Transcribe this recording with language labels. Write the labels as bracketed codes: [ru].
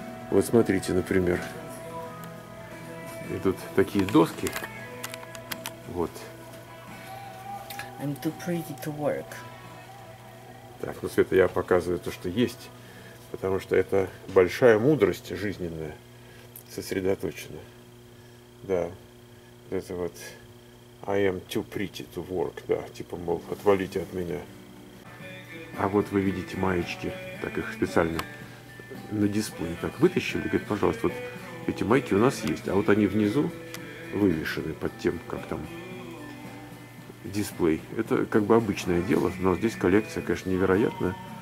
[ru] Вот смотрите, например. Идут такие доски. Вот. [en] I'm too pretty to work. [ru] Так, ну, Света, я показываю то, что есть. Потому что это большая мудрость жизненная. Сосредоточено. Да. Это вот [en] I am too pretty to work. [ru] Да, типа, мол, отвалите от меня. А вот вы видите маечки. Так их специально на дисплее так вытащили. Говорит, пожалуйста, вот эти майки у нас есть. А вот они внизу вывешены под тем, как там дисплей. Это как бы обычное дело, но здесь коллекция, конечно, невероятная.